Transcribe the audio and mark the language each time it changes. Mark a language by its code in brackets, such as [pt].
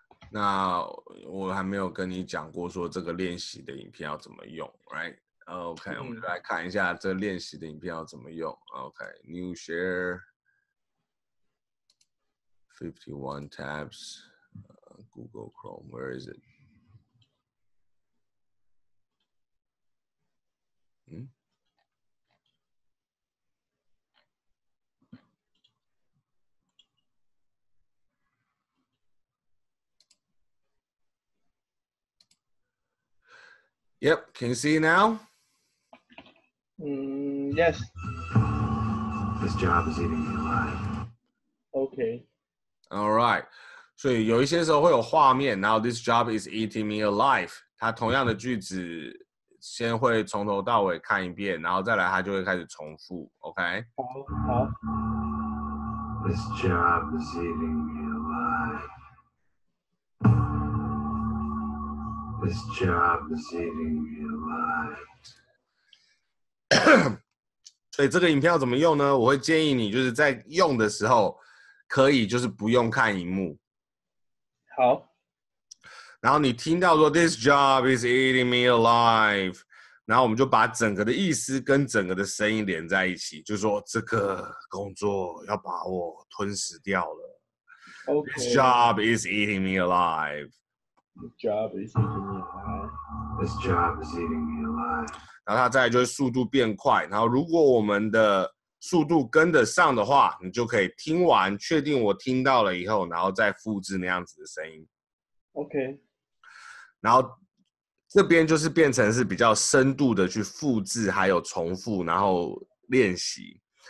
[en] Now, [zh] 我还没有跟你讲过说这个练习的影片要怎么用 , [en] right? [zh] OK,、我们就来看一下这个练习的影片要怎么用。 [en] OK, new share. 51 tabs, Google Chrome, where is it? Yep, can you see now? Yes. This job is eating me alive. Okay. All right, [zh] 所以有一些时候会有画面。 [en] Now this job is eating me alive. [zh] 他同样的句子，先会从头到尾看一遍，然后再来他就会开始重复。 [en] OK。 [zh] 好。 [en] This job is eating me alive. This job is eating me alive. [zh] 所以这个影片要怎么用呢？我会建议你就是在用的时候。可以就是不用看荧幕，好。然后你听到说 [en] "This job is eating me alive"， [zh] 然后我们就把整个的意思跟整个的声音连在一起，就说这个工作要把我吞食掉了。 [en] Okay. This job is eating me alive. This job is eating me alive. This job is eating me alive. [zh] 然后它再来就是速度变快，然后如果我们的速度跟得上的话，你就可以听完，确定我听到了以后，然后再复制那样子的声音。 [en] OK。 [zh] 然后这边就是变成是比较深度的去复制，还有重复，然后练习。